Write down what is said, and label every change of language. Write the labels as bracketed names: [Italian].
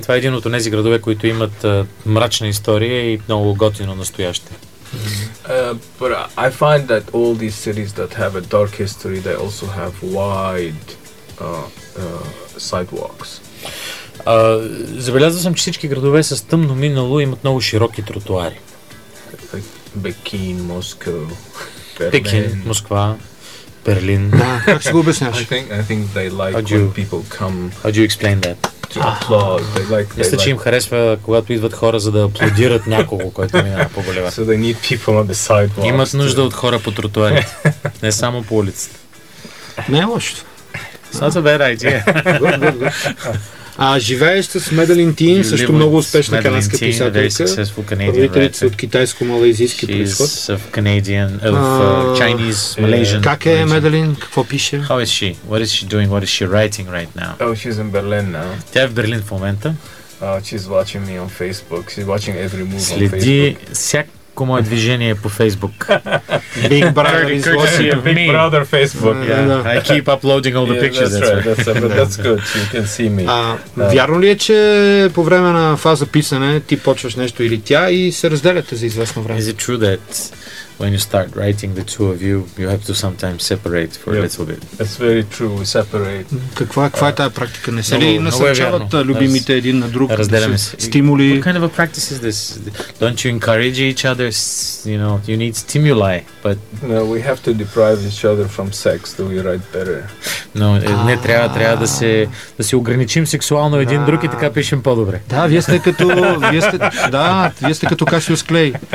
[Bulgarian] Това е един от тези градове, които имат мрачна история и много готино настояще. [English] But I find that all these cities that have a dark history, they also have wide sidewalks. [Bulgarian] Забелязал съм, че всички градове с тъмно минало имат много широки тротуари. Пекин, Москва, Берлин. Пекин, Москва, Берлин. Как си го обясняваш? [English] I think they like when people come. How do you explain that? [Bulgarian] Мисля, че им харесва, когато идват хора, за да аплодират някого, който мина по голева. [English] So they need people on the sidewalks. [Bulgarian] Имат нужда от хора по тротуарите, не само по улицата. Не е лошо. [English] That's a bad idea. [Bulgarian] А живееш с Меделин Тин, също много успешна канадска писателка. Родителите са от китайско-малайзийски происход. [English] She's of Canadian, Chinese-Malaysian. [Bulgarian] Как е Меделин? Какво пише? [English] How is she? What is she doing? What is she writing right now? Oh, she's in Berlin now. [Bulgarian] Тя е в Берлин в момента. [English] She's watching me on Facebook. She's watching every move on Facebook. [Bulgarian] Следи всяко мое движение по Facebook. [English] Big brother is watching me. Big brother Facebook. Yeah. I keep uploading all the pictures. That's right. That's good. You can see me. [Bulgarian] Вярно ли е, че по време на фаза писане ти почваш нещо или тя и се разделяте за известно време? [English] Is it true that when you start writing, the two of you, you have to sometimes separate for a little bit. It's very true, we separate. [Bulgarian] Каква е тая практика? Не се ли насърчават любимите един на друг? Разделяме се. Стимули? [English] What kind of a practice is this? Don't you encourage each other? You know, you need stimuli, but... No, we have to deprive each other from sex, do we write better? [Bulgarian] No, не трябва, трябва да се ограничим сексуално един друг и така пишем по-добре. Да, вие сте като... Да, вие сте като Cassius Clay.